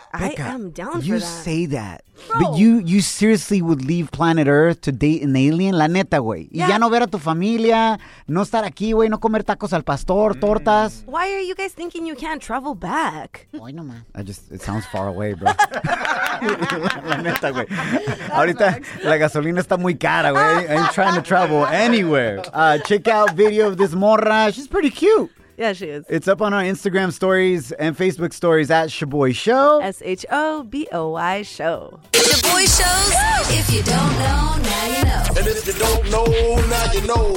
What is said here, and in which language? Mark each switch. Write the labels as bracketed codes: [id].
[en] Becca, I am down for you that. You say that. Bro. But you seriously would leave planet Earth to date an alien? [es] La neta, güey. [en] Yeah. [es] Y ya no ver a tu familia, no estar aquí, güey, no comer tacos al pastor, tortas. [en] Why are you guys thinking you can't travel back? [es] Hoy no, man. [en] It sounds far away, bro. [es] La neta, güey. Ahorita la gasolina está muy cara, güey. [en] I ain't trying to travel anywhere. Check out video of this morra. She's pretty cute. Yeah, she is. It's up on our Instagram stories and Facebook stories at Shaboy Show. Shaboy Show. Shaboy Show. If you don't know, now you know. And if you don't know, now you know.